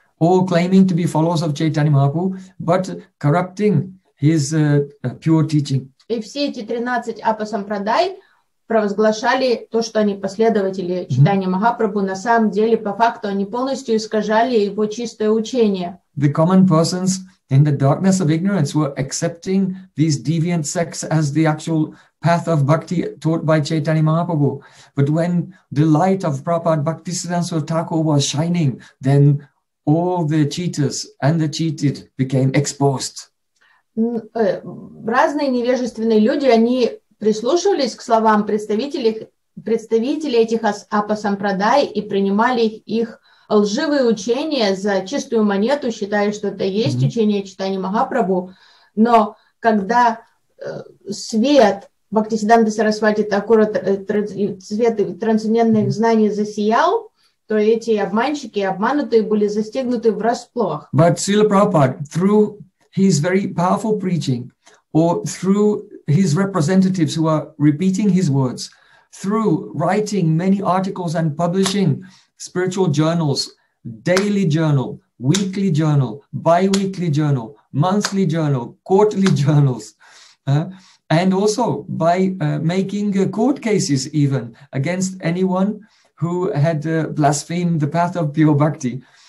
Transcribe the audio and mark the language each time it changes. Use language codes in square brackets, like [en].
[en] All claiming to be followers of Chaitanya Mahaprabhu, but corrupting his pure teaching. [ru] И все эти 13 апасампрадай провозглашали то, что они последователи читания Махапрабху, на самом деле, по факту, они полностью искажали его чистое учение. [en] The common persons in the darkness of ignorance were accepting these deviant sects as the actual path of bhakti taught by Chaitanya Mahaprabhu. But when the light of Prabhupada Bhaktisiddhanta Thakur was shining, then all the cheaters and the cheated became exposed. [ru] Разные невежественные люди, они прислушивались к словам представителей этих апасампрадай и принимали их лживые учения за чистую монету, считая, что это есть учение Чайтаньи Махапрабху. Но когда свет Бхактисиддханты Сарасвати Такура, свет трансцендентных знаний засиял, то эти обманщики, обманутые, были застигнуты врасплох. [en] But Srila Prabhupada, through his very powerful preaching, or through his representatives who are repeating his words, through writing many articles and publishing spiritual journals, daily journal, weekly journal, bi-weekly journal, monthly journal, quarterly journals, and also by making court cases even against anyone who had blasphemed the path of pure bhakti.